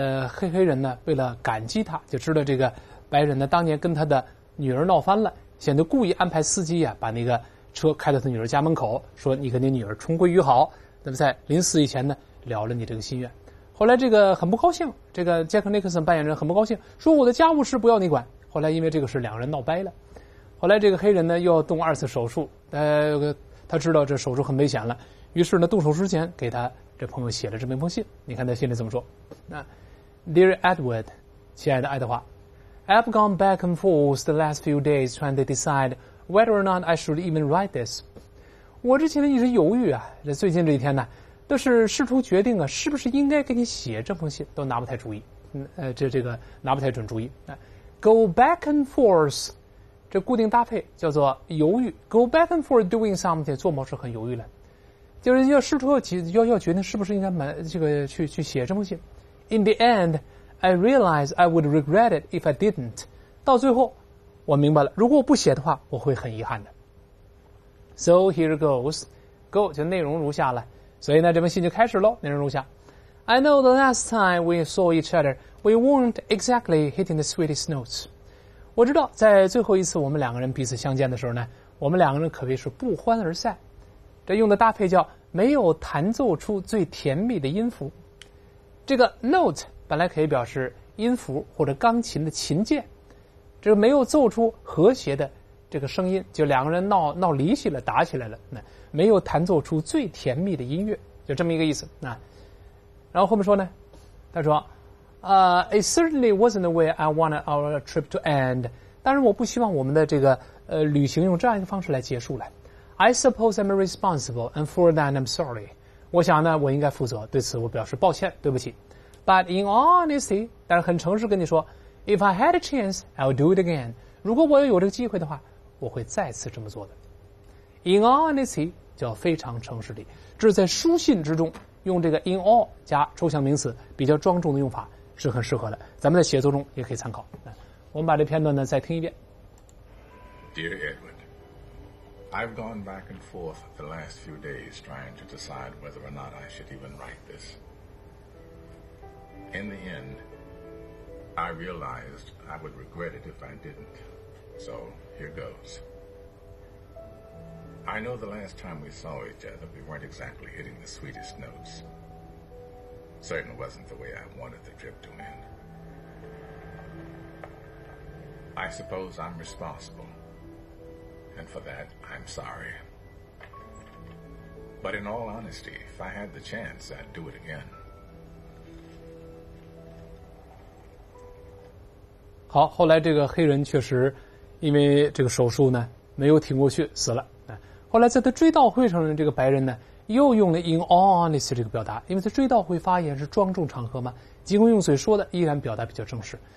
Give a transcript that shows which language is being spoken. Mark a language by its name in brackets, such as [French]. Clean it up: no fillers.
[Chinese] 黑人呢为了感激他，就知道这个白人呢当年跟他的女儿闹翻了，显得故意安排司机啊把那个车开到他女儿家门口，说你跟你女儿重归于好，那么在临死以前呢了了你这个心愿。后来这个很不高兴，这个 Jack Nicholson 扮演人很不高兴，说我的家务事不要你管。后来因为这个事两个人闹掰了，后来这个黑人呢又要动二次手术，他知道这手术很危险了，于是呢动手术之前给他这朋友写了这么一封信。 [English] 你看他心里怎么说，那 Dear Edward, 亲爱的爱德华， I've gone back and forth the last few days trying to decide whether or not I should even write this. [Chinese] 我之前一直犹豫啊，这最近这一天呢都是试图决定啊是不是应该给你写这封信，都拿不太主意，这个拿不太准主意。 [English] Go back and forth, [Chinese] 这固定搭配叫做犹豫。 [English] Go back and forth doing something, [Chinese] 做某事很犹豫了。就是要试图要决定是不是应该买这个去写这封信。 [English] In the end, I realized I would regret it if I didn't. [Chinese] 到最后我明白了，如果我不写的话我会很遗憾的。 [English] So here goes. [Chinese] Go, 就内容如下了。所以呢这封信就开始咯，内容如下。 [English] I know the last time we saw each other,We weren't exactly hitting the sweetest notes. [Chinese] 我知道在最后一次我们两个人彼此相见的时候呢，我们两个人可谓是不欢而散。这用的搭配叫没有弹奏出最甜蜜的音符。这个 note 本来可以表示音符或者钢琴的琴键。这没有奏出和谐的这个声音，就两个人闹离析了，打起来了，那没有弹奏出最甜蜜的音乐，就这么一个意思。那然后后面说呢，他说 [English] it certainly wasn't the way I wanted our trip to end. [Chinese] 当然我不希望我们的这个旅行用这样一个方式来结束了。 [English] I suppose I'm responsible, and for that I'm sorry. [Chinese] 我想呢我应该负责，对此我表示抱歉，对不起。 [English] But in honesty, [Chinese] 但是很诚实跟你说， [English] if I had a chance, I'll do it again. [Chinese] 如果我有这个机会的话，我会再次这么做的。 [English] In honesty, [Chinese] 叫非常诚实的。这是在书信之中用这个 in all 加抽象名词比较庄重的用法，是很适合的，咱们在写作中也可以参考。我们把这片段呢再听一遍。 [English] Dear Edward, I've gone back and forth the last few days trying to decide whether or not I should even write this. In the end, I realized I would regret it if I didn't. So, here goes. I know the last time we saw each other, we weren't exactly hitting the sweetest notes. Certainly wasn't the way I wanted the trip to end. I suppose I'm responsible, and for that, I'm sorry. But in all honesty, if I had the chance, I'd do it again. [Chinese] 好，后来这个黑人确实因为这个手术呢没有挺过去，死了。后来在他追悼会上，这个白人呢又用了 [English] in all honesty [Chinese] 这个表达，因为在追悼会发言是庄重场合嘛，尽管用嘴说的，依然表达比较正式。